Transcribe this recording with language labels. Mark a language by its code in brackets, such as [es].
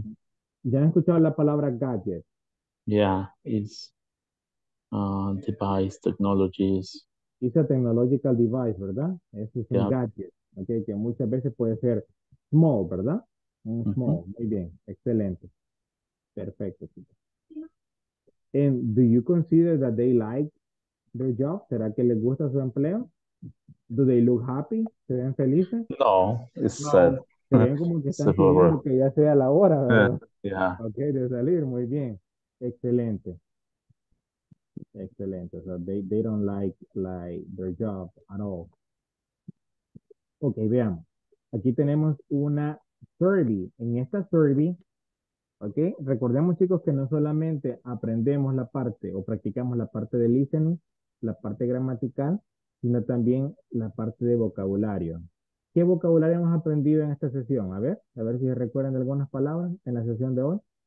[es] que... ¿Ya han escuchado la palabra gadget? [en] Yeah, it's device, technologies. It's a technological device, [es] ¿verdad? Es un gadget. Okay, que muchas veces puede ser small, ¿verdad? Un small, muy bien, excelente. Perfecto, chicos. [en] And do you consider that they like their job? [es] ¿Será que les gusta su empleo? [en] Do they look happy? [es] ¿Se ven felices? [en] No, it's sad. [es] Se ven como que están pidiendo que ya sea la hora, ¿verdad? Yeah. Okay, de salir, muy bien. Excelente. Excelente. [en] So they don't like their job at all. [es] Ok, veamos. Aquí tenemos una survey. En esta survey, ok, recordemos, chicos, que no solamente aprendemos la parte o practicamos la parte de listening, la parte gramatical, sino también la parte de vocabulario. ¿Qué vocabulario hemos aprendido en esta sesión? A ver si recuerdan algunas palabras en la sesión de hoy.